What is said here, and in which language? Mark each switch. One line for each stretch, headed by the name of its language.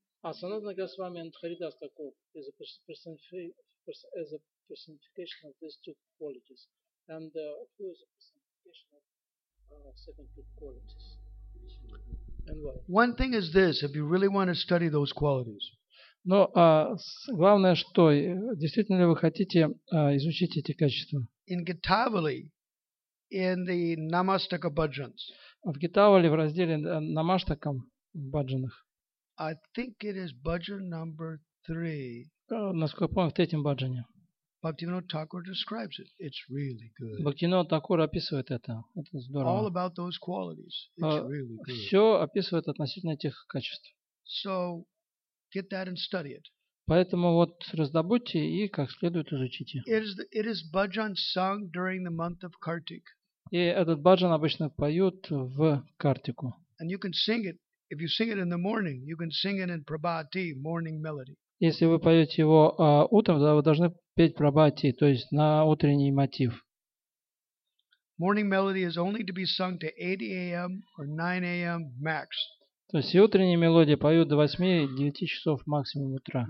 English: Sanatana Goswami and Haridas Thakur is a personification of these two qualities. And who is a personification of second two qualities? And why? One thing is this, if you really want to study those qualities.
Russian: Но главное, что действительно ли вы хотите изучить эти качества?
English: In Gitavali, in the Namastaka Bhajans.
Russian: В Гитавали, в разделе Намаштакам, в Баджанах.
English: I think it is Bhajan number 3.
Russian: Насколько я помню, в третьем Баджане.
English: Bhaktivinoda Thakur describes it. It's really good.
Russian: Bhaktivinoda Thakur описывает это. Это здорово.
English: All about those qualities. It's really good.
Russian: Все описывает относительно этих качеств.
English: So, get that and study it.
Russian: Поэтому вот раздобудьте и как следует изучите.
English: It is bhajan sung during the month of Kartik.
Russian: И этот баджан обычно поют в картику.
English: And you can sing it. If you sing it in the morning, you can sing it in Prabhati, morning melody.
Russian: Если вы поете его утром, тогда вы должны петь Прабхати, то есть на утренний мотив.
English: Morning melody is only to be sung to 8 a.m. or 9 a.m. max.
Russian: То есть и утренние мелодии поют до 8-9 часов максимум утра.